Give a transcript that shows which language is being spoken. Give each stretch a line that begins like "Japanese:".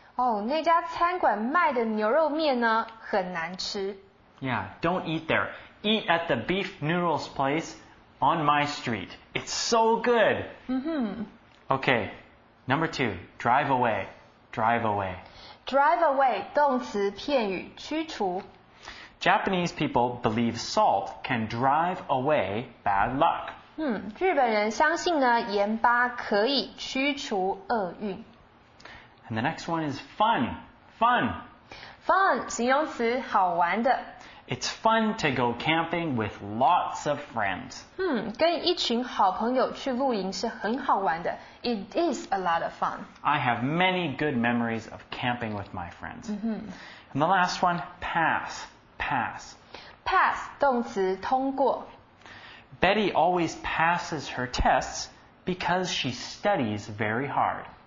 Chinese: 哦，那家餐馆卖的牛肉面呢，很难吃。
English: Yeah, don't eat there. Eat at the beef noodles place on my street. It's so good. Okay, number two, drive away. Drive away.
Chinese: Drive away, 动词片语驱除。
English: Japanese people believe salt can drive away bad luck.
Chinese: 日本人相信呢，盐巴可以驱除厄运。
English: And the next one is fun. Fun.
Chinese: Fun, 形容词，好玩的。
English: It's fun to go camping with lots of friends.
Chinese: 跟一群好朋友去露营是很好玩的。
English: It is a lot of fun. I have many good memories of camping with my friends. Mm-hmm. And the last one, pass. Pass.
Chinese: Pass, 动词，通过。
English: Betty always passes her tests because she studies very hard.